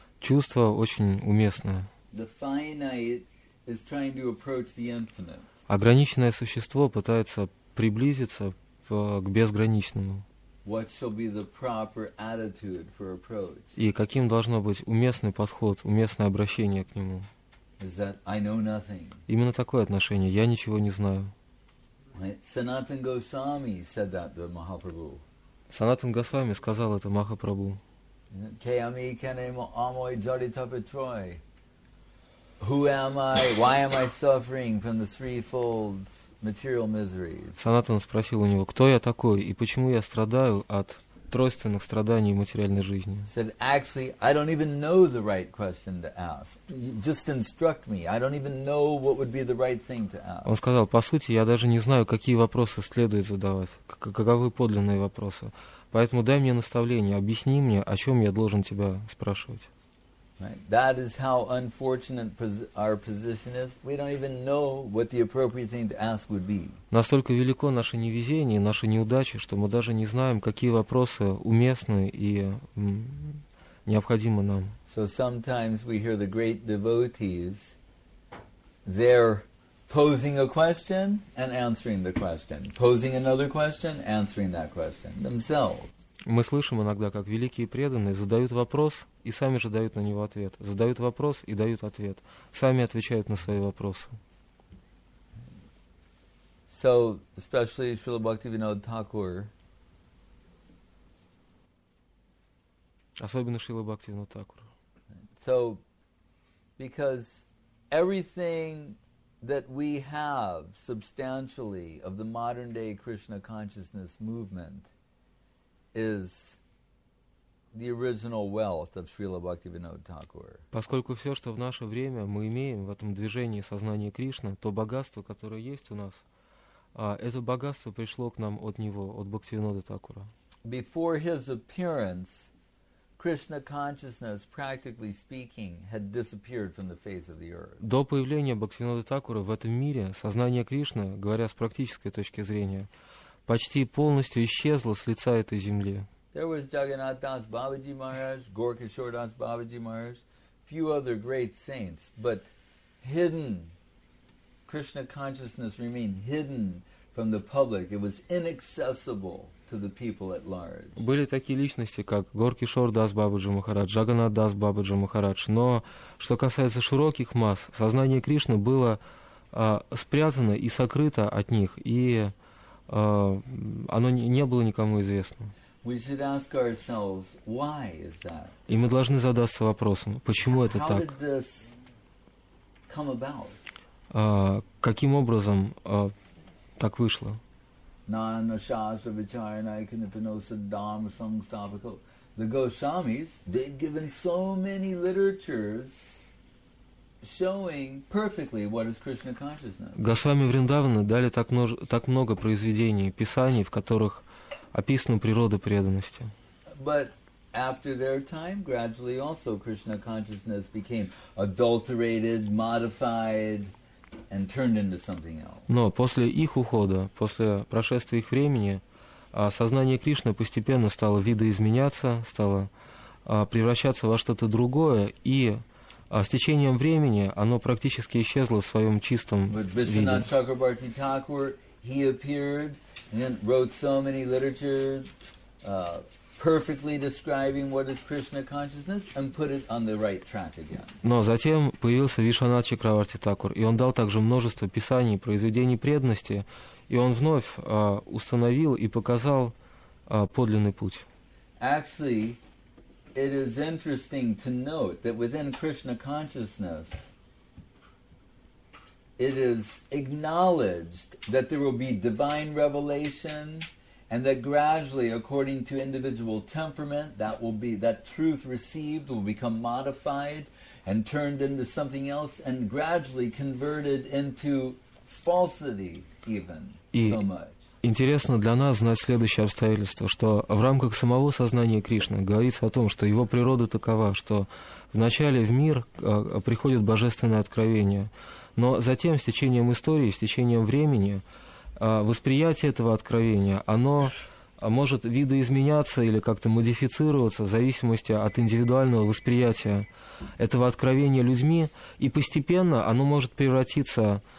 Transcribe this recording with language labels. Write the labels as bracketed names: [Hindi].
[Russian] Чувство очень уместное. [English] The finite is trying to approach the infinite. [Russian] Ограниченное существо пытается приблизиться к безграничному. [English] What shall be the proper attitude for approach? [Russian] И каким должно быть уместный подход, уместное обращение к нему? [English] Is that I know nothing. [Russian] Именно такое отношение. Я ничего не знаю. [English] Sanatan Goswami said that to Mahaprabhu. [Russian] Санатан Госвами сказал это Махапрабху. [Bangla] Kami kene amoy jaritapetroy. [English] Who am I? Why am I suffering from the threefold material misery? [Russian] Санатан спросил у него, кто я такой и почему я страдаю от тройственных страданий материальной жизни. [English] Said, actually, I don't even know the right question to ask. Just instruct me. I don't even know what would be the right thing to ask. [Russian] Он сказал, по сути, я даже не знаю, какие вопросы следует задавать, каковы подлинные вопросы. Поэтому дай мне наставление, объясни мне, о чем я должен тебя спрашивать. [English] Right. That is how unfortunate our position is. We don't even know what the appropriate thing to ask would be. [Russian] Настолько велико наше невезение, наша неудача, что мы даже не знаем, какие вопросы уместны и необходимы нам. [English] So sometimes we hear the great devotees, they're posing a question and answering the question, posing another question, answering that question themselves. [Russian] Мы слышим иногда, как великие преданные задают вопрос и сами же дают на него ответ. Задают вопрос и дают ответ. Сами отвечают на свои вопросы. [English] So, especially Srila Bhaktivinoda Thakur. [Russian] Особенно Srila Bhaktivinoda Thakur. [English] So, because everything that we have substantially of the modern day Krishna consciousness movement is the original wealth of Srila Bhaktivinoda Thakur. [Russian] Поскольку все, что в наше время мы имеем в этом движении сознания Кришны, то богатство, которое есть у нас, это богатство пришло к нам от него, от Бхактивинода Такура. [English] Before his appearance, Krishna consciousness, practically speaking, had disappeared from the face of the earth. [Russian] До появления Бхактивинода Такура в этом мире сознание Кришны, говоря с практической точки зрения, почти полностью исчезло с лица этой земли. [English] There was Jagannath Das Babaji Maharaj, Gorkhishor Das Babaji Maharaj, few other great saints, but hidden, Krishna consciousness remained hidden from the public. It was inaccessible to the people at large. [Russian] Были такие личности, как Gorkhishor Das Babaji Maharaj, Jagannath Das Babaji Maharaj, но что касается широких масс, сознание Кришны было спрятано и сокрыто от них, и оно не было никому известно. [English] We should ask ourselves, why is that? [Russian] И мы должны задаться вопросом, почему это [English] How [Russian] так? [English] Did this come about? [Russian] Каким образом так вышло? [English] The Goswamis, they've given so many literatures showing perfectly what is Krishna consciousness. [Russian] Госвами Вриндаваны дали так много произведений, писаний, в которых описанную природу преданности. [English] But after their time, gradually also Krishna consciousness became adulterated, modified, and turned into something else. [Russian] Но после их ухода, после прошествия их времени, сознание Кришны постепенно стало видоизменяться, стало превращаться во что-то другое, и с течением времени оно практически исчезло в своем чистом виде. [English] Чакрабарти Такур, he appeared and wrote so many literatures, perfectly describing what is Krishna consciousness and put it on the right track again. [Russian] Но затем появился Вишванатха Чакраварти Такур, и он дал также множество писаний, произведений преданности, и он вновь установил и показал подлинный путь. [English] Actually, it is interesting to note that within Krishna consciousness, it is acknowledged that there will be divine revelation, and that gradually, according to individual temperament, that will be that truth received will become modified and turned into something else, and gradually converted into falsity, even so much. [Russian] Интересно для нас знать следующее обстоятельство, что в рамках самого сознания Кришны говорится о том, что его природа такова, что вначале в мир приходит божественное откровение, но затем, с течением истории, с течением времени, восприятие этого откровения, оно может видоизменяться или как-то модифицироваться в зависимости от индивидуального восприятия этого откровения людьми, и постепенно оно может превратиться...